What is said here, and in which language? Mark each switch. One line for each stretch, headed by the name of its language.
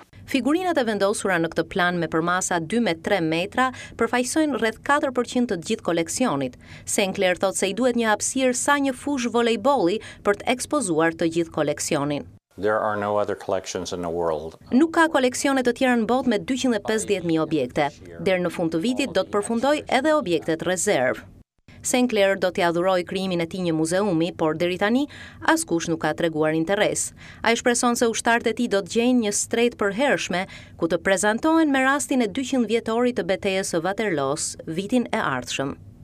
Albanian: Figurinat e vendosura në këtë plan me përmasa 2-3 metra përfaqësojnë rreth 4% të gjithë koleksionit. St. Clair thotë se i duhet një hapësirë sa një fush volejbolli për të ekspozuar të gjithë koleksionin.
English: There are no other collections in the world.
Albanian: Nuk ka koleksione të tjera në botë me 250,000 objekte. Deri në fund të vitit do të përfundoj edhe objektet rezervë. St. Clair do t'i adhuroj krijimin e tij një muzeumi, por deri tani askush nuk ka treguar interes. Ai shpreson se ushtarët e tij do të gjejnë një stretë përhershme ku të prezantohen me rastin e 200 vjetorit të betejës së Waterloo's vitin e ardhshëm.